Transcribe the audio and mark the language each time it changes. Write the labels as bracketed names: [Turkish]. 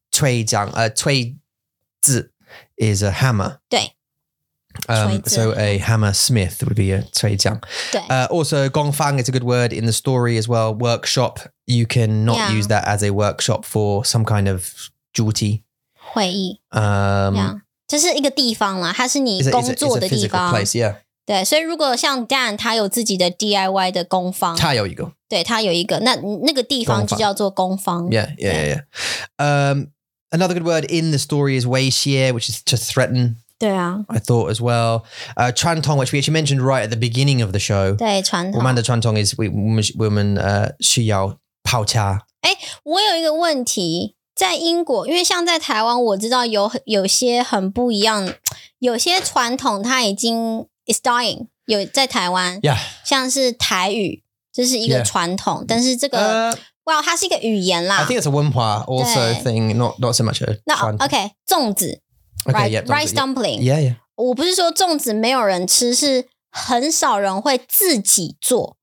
[English] 锤匠, 锤子 is a hammer. [Chinese] 对。 [English] So a hammersmith would be a 锤匠。Also, 工坊 is a good word in the story as well. Workshop, you cannot use that as a workshop for some kind of 主题。 [Chinese] 会议。这是一个地方啦，它是你工作的地方。 [English] It's a physical place, yeah. [Chinese] 对，所以如果像 Dan, 他有自己的 DIY 的工坊。他有一个。对，他有一个。那个地方就叫做工坊。 [English] Yeah. Another good word in the story is 威胁, which is to threaten. [Chinese] 对啊, [English] I thought as well. Chuan Tong, which we actually mentioned right at the beginning of the show. [Chinese] 对, Chuan Tong. 我们的 Chuan Tong is 我们需要跑车。诶,我有一个问题,在英国,因为像在台湾,我知道有些很不一样,有些传统它已经 [English] is dying, [Chinese] 有在台湾。 [English] Yeah. [Chinese] 像是台语,这是一个传统,但是这个... Well, 它是一个语言啦。 [English] I think it's a 文化 also thing, not so much a 传统。 No, okay, 粽子。 Okay, yeah, rice dumpling. Yeah. [Chinese] 我不是说粽子没有人吃，是很少人会自己做。